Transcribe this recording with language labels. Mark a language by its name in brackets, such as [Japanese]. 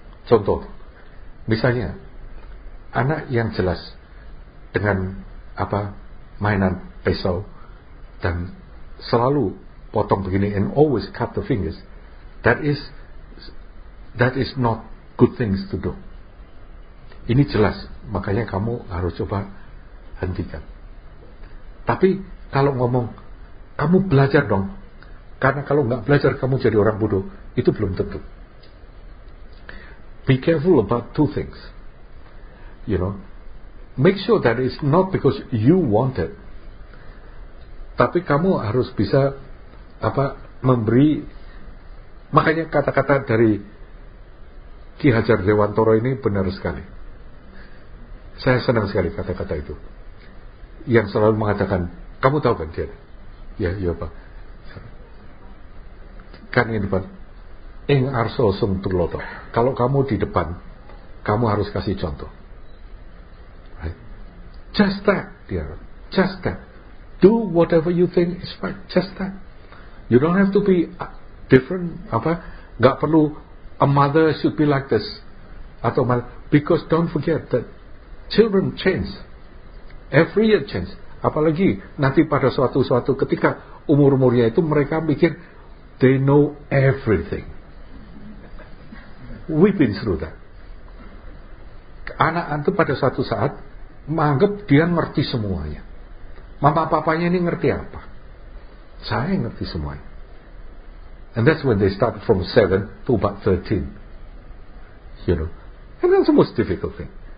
[Indonesian] Contoh, misalnya anak yang jelas dengan apa mainan pisau dan selalu potong begini [English] and always cut the fingers, that is not good things to do. [Indonesian] Ini jelas, makanya kamu harus coba hentikan. Tapi kalau ngomong kamu belajar dong, karena kalau nggak belajar kamu jadi orang bodoh, itu belum tentu. [English] Be careful about two things, you know. Make sure that it's not because you want it. [Indonesian] Tapi kamu harus bisa apa memberi. Makanya kata-kata dari Ki Hajar Dewantoro ini benar sekali. Saya senang sekali kata-kata itu. Yang selalu mengatakan, kamu tahu kan dia? Ya, iya Pak. Kan ini Pak. [Javanese] Ing arso sung turloto. [Indonesian] Kalau kamu di depan, kamu harus kasih contoh. [English] Just that, dear. Just that. Do whatever you think is right. Just that. You don't have to be different. [Indonesian] Apa? Gak perlu [English] a mother should be like this. [Indonesian] Atau mal. [English] Because don't forget that children change. Every year change. [Indonesian] Apalagi nanti pada suatu ketika umurnya itu mereka mikir [English] they know everything. We've been through that. [Indonesian] Anak itu pada suatu saat menganggap dia ngerti semuanya. Mama papanya ini ngerti apa? Saya ngerti semuanya. [English] And that's when they start from 7 to about 13. You know. And that's the most difficult thing.